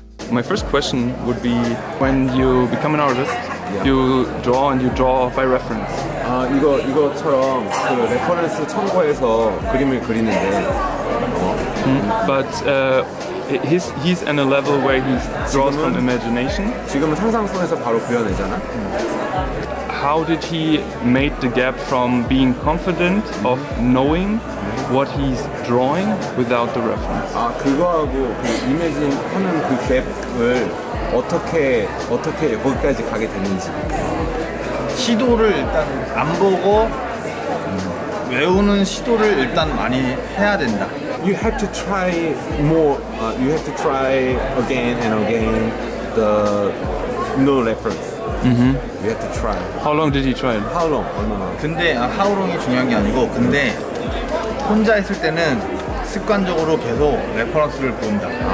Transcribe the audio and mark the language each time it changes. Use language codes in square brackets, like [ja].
[en] My first question would be, when you become an artist, yeah. you draw and you draw by reference. [ko] 아, 이거, 이거처럼 그 레퍼런스 참고해서 그림을 그리는데. [en] But he's on a level where he draws from imagination. [ko] 지금은 상상선에서 바로 그려내잖아. [en] How did he make the gap from being confident of knowing what he's drawing without the reference? [ko] 아, 그거하고 그 이미징 하는 그 갭을 어떻게 거기까지 가게 됐는지. 시도를 일단 안 보고 외우는 시도를 일단 많이 해야 된다. [en] You have to try more. You have to try again and again the no reference. Mm-hmm. We have to try. How long did he try? How long? 얼마나? [ko] 근데 [en] how long [ko] 이 중요한 게 아니고 근데 혼자 있을 때는 습관적으로 계속 레퍼런스를 본다.